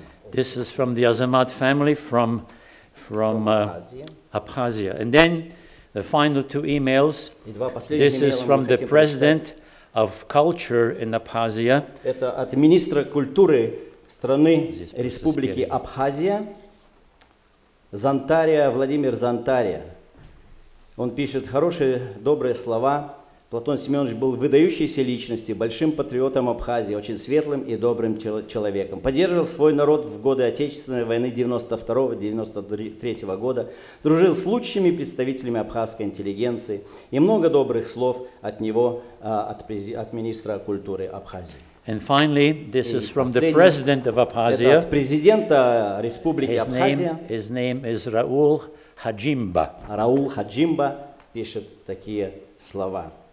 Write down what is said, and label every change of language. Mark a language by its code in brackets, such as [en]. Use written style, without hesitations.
[en] This is from the Azamat family from Abkhazia. And then the final two emails. This is from the president of culture in Abkhazia. [ru] Это от министра культуры страны Республики Абхазия, Зантария, Владимир Зантария. Он пишет хорошие, добрые слова. Платон Семенович был выдающейся личностью, большим патриотом Абхазии, очень светлым и добрым человеком. Поддерживал свой народ в годы Отечественной войны 92-93 года, дружил с лучшими представителями абхазской интеллигенции и много добрых слов от него, от министра культуры Абхазии. [en] And finally, this is from the president of Abkhazia. [ru] Это от президента Республики Абхазия. [en] His name is Raul Hajimba. [ru] Раул Хаджимба пишет такие слова.